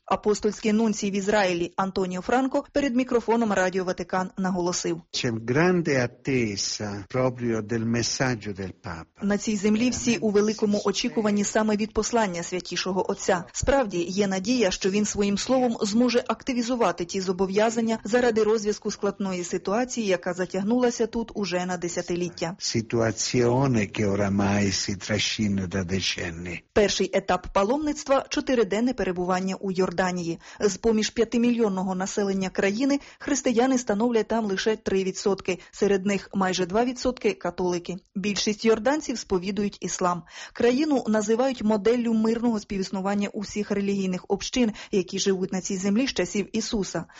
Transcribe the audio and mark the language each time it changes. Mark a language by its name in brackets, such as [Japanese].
[Ukrainian] Апостольський нунцій в Ізраїлі Антоніо Франко перед мікрофоном Радіо Ватикан наголосив: на цій землі всі у великому очікуванні саме від послання Святішого Отця. Справді, є надія, що він своїм словом зможе активізувати ті зобов'язання заради розв'язку складної ситуації, яка затягнулася тут уже на десятиліття. Ситуація, яка [Italian] ormai si trascina da decenni. [Ukrainian] Перший етап паломництва – чотириденне перебування у Йорданії. З-поміж 5-мільйонного населення країни християни становлять там лише 3%. Серед них майже 2% – католики. Більшість йорданців сповідують іслам. Країну називають моделлю мирного співіснування усіх релігійних общин, які живуть на цій землі з часів Ісуса.